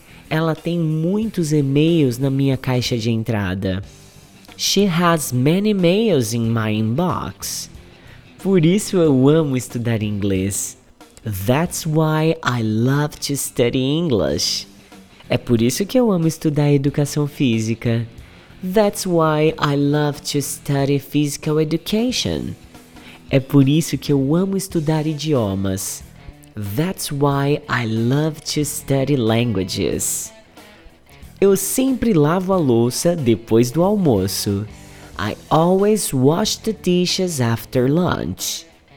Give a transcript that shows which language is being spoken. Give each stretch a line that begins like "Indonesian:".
Portuguese: Ela tem muitos e-mails na minha caixa de entrada.
English: She has many mails in my inbox.
Portuguese: Por isso eu amo estudar inglês.
English: That's why I love to study English.
Portuguese: É por isso que eu amo estudar educação física.
English: That's why I love to study physical education.
Portuguese: É por isso que eu amo estudar idiomas.
English: That's why I love to study languages.
Portuguese: Eu sempre lavo a louça depois do almoço.
English: I always wash the dishes after lunch.